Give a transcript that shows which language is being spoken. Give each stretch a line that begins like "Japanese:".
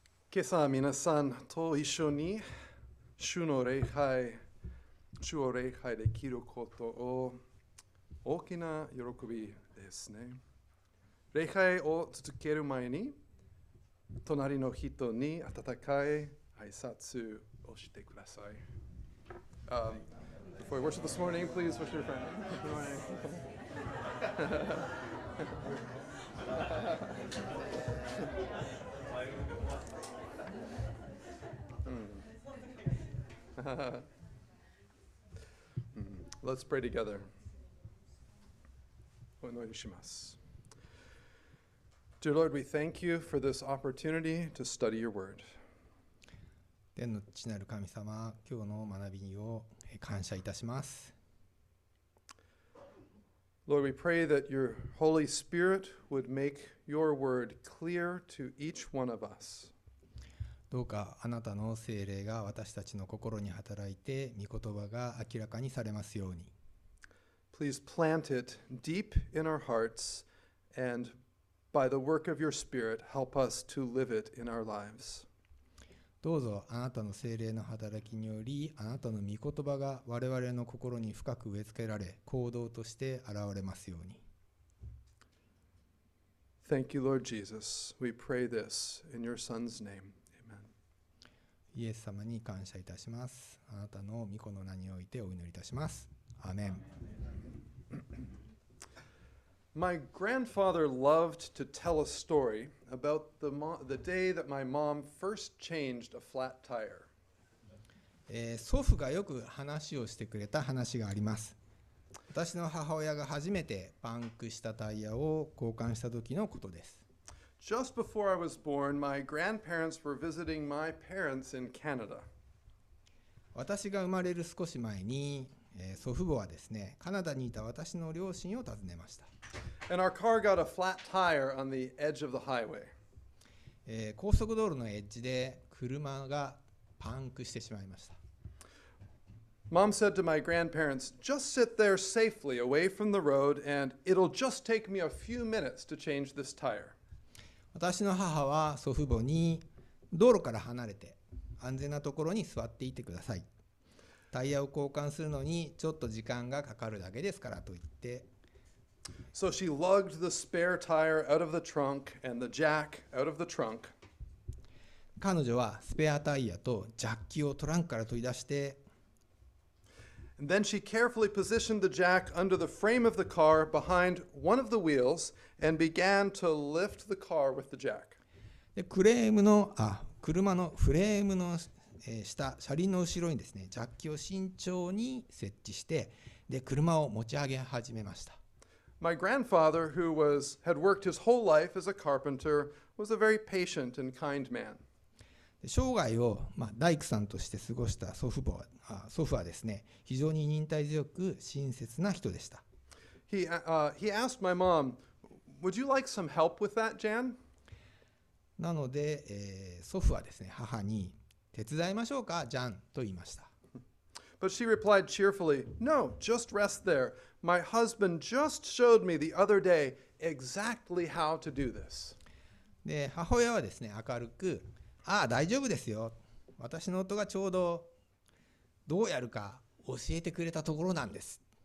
Japanese: 今朝皆さんと一緒に主の礼拝、主を礼拝できることを大きな喜びですね。礼拝を続ける前に、隣の人に温かい挨拶をしてください。
English: Before we worship this morning, please worship your friend. Good morning. Let's pray together.
Japanese: お祈りします。
English: Dear Lord, we thank you for this opportunity to study your word.
Japanese: 天の父なる神様、今日の学びを感謝いたします。
English: Lord, we pray that your Holy Spirit would make your word clear to each one of us.
Japanese: どうかあなたの聖霊が私たちの心に働いて、御言葉が明らかにされますように。
English: Please plant it deep in our hearts, and by the work of your Spirit, help us to live it in our lives.
Japanese: どうぞあなたの聖霊の働きにより、あなたの御言葉が我々の心に深く植え付けられ、行動として現れますように。
English: Thank you, Lord Jesus. We pray this in your Son's name.
Japanese: イエス様に感謝いたします。あなたの御子の名においてお祈りいたします。アーメン。
English: My grandfather loved to tell a story about the day that my mom first changed a flat tire.
Japanese: 祖父がよく話をしてくれた話があります。私の母親が初めてパンクしたタイヤを交換した時のことです。
English: Just before I was born, my grandparents were visiting my parents in Canada.
Japanese: 私が生まれる少し前に、祖父母はですね、カナダにいた私の両親を訪ねました。
English: And our car got a flat tire on the edge of the highway.
Japanese: 高速道路のエッジで車がパンクしてしまいました。
English: Mom said to my grandparents, "Just sit there safely away from the road, and it'll just take me a few minutes to change this tire."
Japanese: 私の母は祖父母に、道路から離れて安全なところに座っていてください、タイヤを交換するのにちょっと時間がかかるだけですからと言って、
English: So she lugged the spare tire out of the trunk and the jack out of the trunk.
Japanese: 彼女はスペアタイヤとジャッキをトランクから取り出して、
English: And then she carefully positioned the jack under the frame of the car behind one of the wheelsAnd began to lift the car with the jack.
Japanese: で、車のフレームの下車輪の後ろにですね、ジャッキを慎重に設置して、で車を持ち上げ始めました。
English: My grandfather, who was, had worked his whole life as a carpenter, was a very patient and kind man.
Japanese: 生涯を、まあ、大工さんとして過ごした祖父はですね、非常に忍耐強く親切な人でした。
English: He asked my mom, "Would you like some help with that, Jan?"
Japanese: なので、祖父はですね、母に手伝いましょうか、ジャンと言いました。
English: But she replied cheerfully, "No, just rest there. My husband just showed me the other day exactly how to do this."
Japanese: で、母親はですね、明るく、ああ、大丈夫ですよ。私の夫がちょうどどうやるか教えてくれたところなんです。